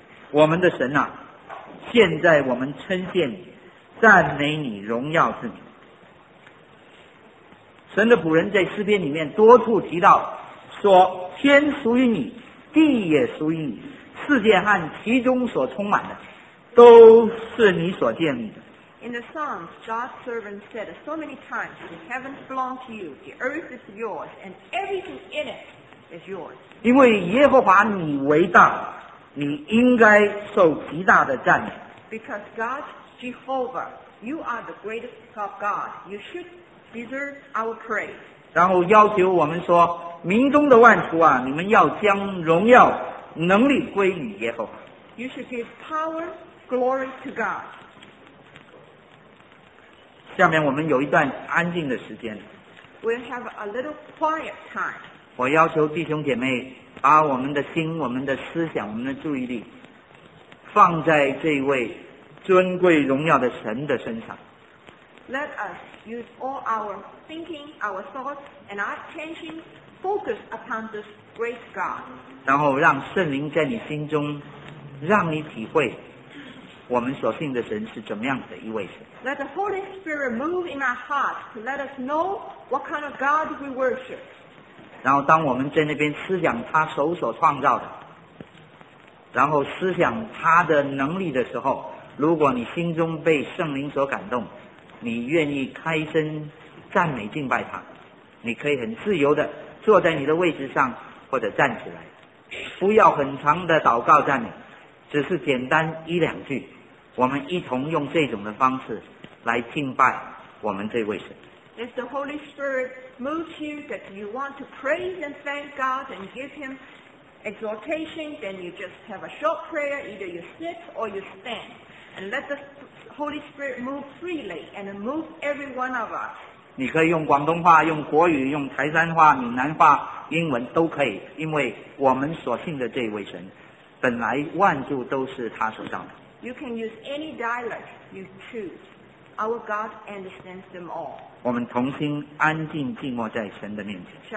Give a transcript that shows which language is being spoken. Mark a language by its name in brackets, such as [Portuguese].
[Chinese] 我们的神啊，现在我们称谢你，赞美你，荣耀之名。神的仆人在诗篇里面多处提到，说天属于你，地也属于你，世界和其中所充满的，都是你所建立的。 [English] In the Psalms, God's servant said so many times, the heavens belong to you, the earth is yours, and everything in it is yours. [Chinese] 因为耶和华你为大，你应该受极大的赞美。 [English] Because God, Jehovah, you are the greatest of God. You should deserve our praise. [Chinese] 然后要求我们说，民中的万族啊，你们要将荣耀、能力归于耶和华。 [English] You should give power, glory to God. [Chinese] 下面我们有一段安静的时间。 [English] We'll have a little quiet time. [Chinese] 我要求弟兄姐妹把我们的心、我们的思想、我们的注意力放在这位尊贵荣耀的神的身上。 [English] Let us use all our thinking, our thoughts, and our attention focus upon this great God. [Chinese] 然后让圣灵在你心中让你体会我们所信的神是怎么样的一位神。 [English] Let the Holy Spirit move in our hearts to let us know what kind of God we worship. [Chinese] 然后当我们在那边思想他手所创造的，然后思想他的能力的时候，如果你心中被圣灵所感动，你愿意开声赞美敬拜他，你可以很自由的坐在你的位置上或者站起来，不要很长的祷告赞美，只是简单一两句，我们一同用这种的方式来敬拜我们这位神。 [English] If the Holy Spirit moves you that you want to praise and thank God and give Him exhortation, then you just have a short prayer. Either you sit or you stand, and let the Holy Spirit move freely and move every one of us. [Chinese] 你可以用广东话，用国语，用台山话，闽南话，英文都可以，因为我们所信的这位神本来万物都是他所造的。 [English] You can use any dialect you choose. Our God understands them all. [Chinese] 我们同心安静静默在神的面前。